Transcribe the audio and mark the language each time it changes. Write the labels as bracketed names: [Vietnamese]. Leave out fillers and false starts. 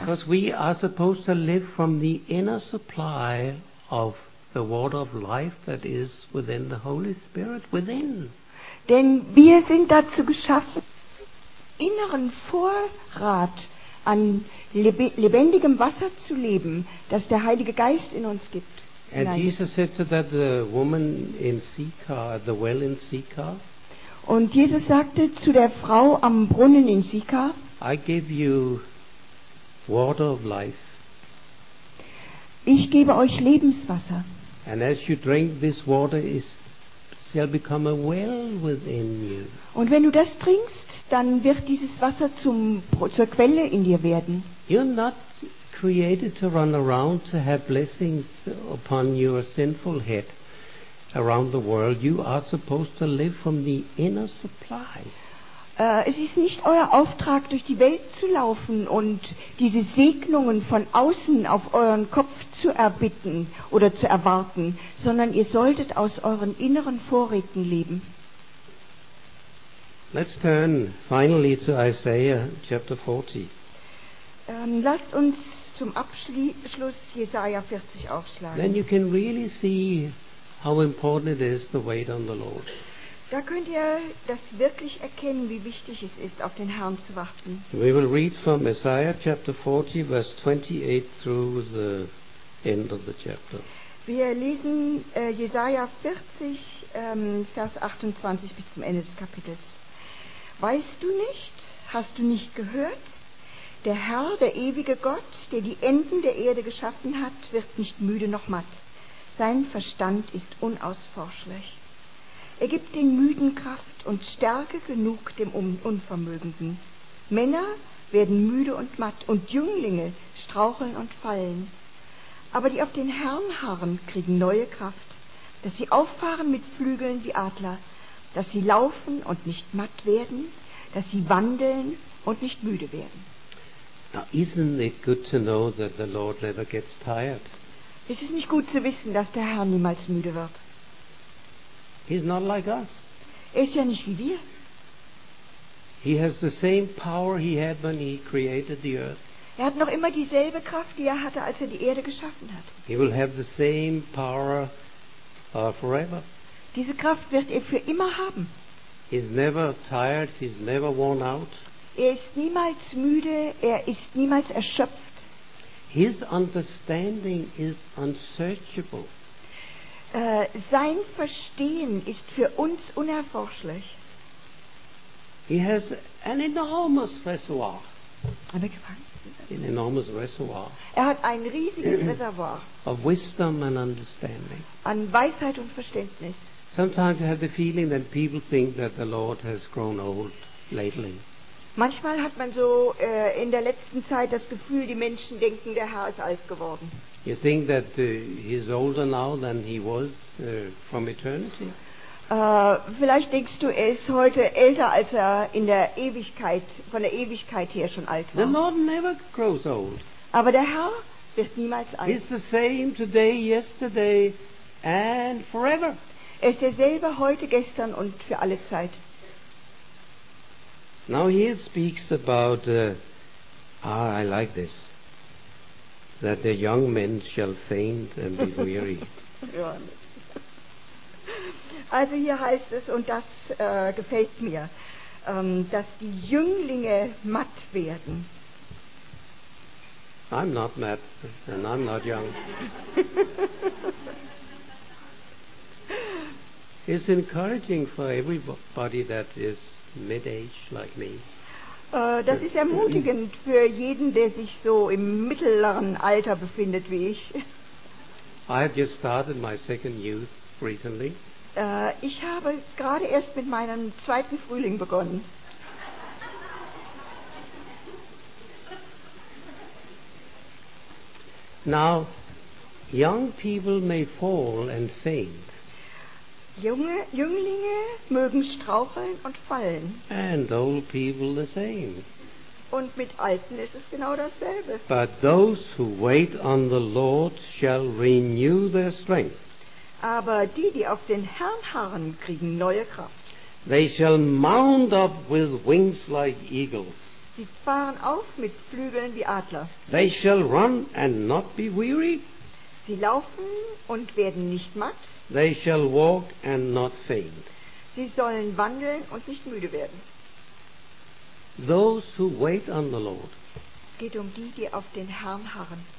[English] Because we are supposed to live from the inner supply of the water of life that is within the Holy Spirit within. [German] Denn wir sind dazu geschaffen, inneren Vorrat an lebendigem Wasser zu leben, das der Heilige Geist in uns gibt. [English] And Jesus said to that the woman in Sychar, the well in Sychar. [German] Und Jesus sagte zu der Frau am Brunnen in Sychar, [English] I give you water of life. [German] Ich gebe euch Lebenswasser. [English] And as you drink this water, it shall become a well within you. [German] Und wenn du das trinkst, dann wird dieses Wasser zur Quelle in dir werden. [English] You're not created to run around to have blessings upon your sinful head. Around the world, you are supposed to live from the inner supply. [German] Es ist nicht euer Auftrag, durch die Welt zu laufen und diese Segnungen von außen auf euren Kopf zu erbitten oder zu erwarten, sondern ihr solltet aus euren inneren Vorräten leben. [English] Let's turn finally to Isaiah chapter 40. [German] Lasst uns zum Abschluss Jesaja 40 aufschlagen. [English] Then you can really see how important it is to wait on the Lord. [German] Da könnt ihr das wirklich erkennen, wie wichtig es ist, auf den Herrn zu warten. [English] We will read from Isaiah chapter 40, verse 28 through the end of the chapter. [German] Wir lesen Jesaja 40, Vers 28 bis zum Ende des Kapitels. Weißt du nicht, hast du nicht gehört? Der Herr, der ewige Gott, der die Enden der Erde geschaffen hat, wird nicht müde noch matt. Sein Verstand ist unausforschlich. Er gibt den Müden Kraft und Stärke genug dem Unvermögenden. Männer werden müde und matt und Jünglinge straucheln und fallen. Aber die auf den Herrn harren, kriegen neue Kraft, dass sie auffahren mit Flügeln wie Adler, dass sie laufen und nicht matt werden, dass sie wandeln und nicht müde werden. [English] Now isn't it good to know that the Lord never gets tired? [German] Es ist nicht gut zu wissen, dass der Herr niemals müde wird. [English] He's not like us. [German] Er ist ja nicht wie wir. [English] He has the same power he had when he created the earth. [German] Er hat noch immer dieselbe Kraft, die er hatte, als er die Erde geschaffen hat. [English] He will have the same power forever. [German] Diese Kraft wird er für immer haben. [English] He's never tired, he's never worn out. [German] Er ist niemals müde, er ist niemals erschöpft. [English] His understanding is unsearchable. [German] Sein Verstehen ist für uns unerforschlich. [English] He has an enormous reservoir. An enormous reservoir. [German] Er hat ein riesiges Reservoir. [English] Of wisdom and understanding. [German] An Weisheit und Verständnis. [English] Sometimes you have the feeling that people think that the Lord has grown old lately. [German] Manchmal hat man so in der letzten Zeit das Gefühl, die Menschen denken, der Herr ist alt geworden. [English] You think that he is older now than he was from eternity? [German] Vielleicht denkst du, er ist heute älter, als er in der Ewigkeit, von der Ewigkeit her schon alt war. [English] The Lord never grows old. [German] Aber der Herr wird niemals alt. [English] He's the same today, yesterday and forever. [German] Er ist derselbe heute, gestern und für alle Zeit. [English] Now he speaks about, I like this, that the young men shall faint and be weary. [German] Also hier heißt es, und das gefällt mir, dass die Jünglinge matt werden. [English] I'm not matt and I'm not young. It's encouraging for everybody that is mid-age like me. [German] Das ist ermutigend für jeden, der sich so im mittleren Alter befindet wie ich. [English] I have just started my second youth recently. [German] Ich habe gerade erst mit meinem zweiten Frühling begonnen. [English] Now, young people may fall and faint. [German] Jünglinge mögen straucheln und fallen. [English] And old people the same. [German] Und mit Alten ist es genau dasselbe. [English] But those who wait on the Lord shall renew their strength. [German] Aber die, die auf den Herrn harren, kriegen neue Kraft. [English] They shall mount up with wings like eagles. [German] Sie fahren auf mit Flügeln wie Adler. [English] They shall run and not be weary. [German] Sie laufen und werden nicht matt. [English] They shall walk and not faint. [German] Sie sollen wandeln und nicht müde werden. [English] Those who wait on the Lord. [German] Es geht um die, die auf den Herrn harren.